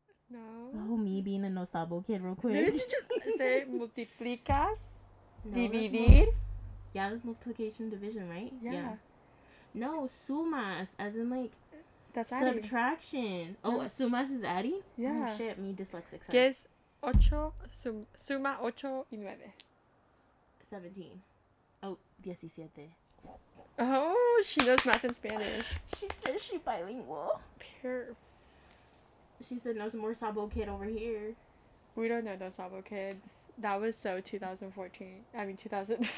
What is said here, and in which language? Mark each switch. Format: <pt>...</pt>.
<en>No. Oh, me being a no sabo kid real quick. Didn't you just say multiplicas?</en> <es>Dividir?</es> <en>Yeah, that's multiplication division, right? Yeah. No, sumas, as in, like, that's subtraction. Adding. Oh, sumas is adding? Yeah. Oh, shit, me dyslexic. Sorry.</en> <es>Guess ocho, suma ocho y nueve.</es> <en>17. Oh, 17. Oh, she knows math in Spanish. She says she bilingual. Perf. She said knows more sabo kid over here. We don't know no sabo kids. That was so 2014. I mean, 2000.</en>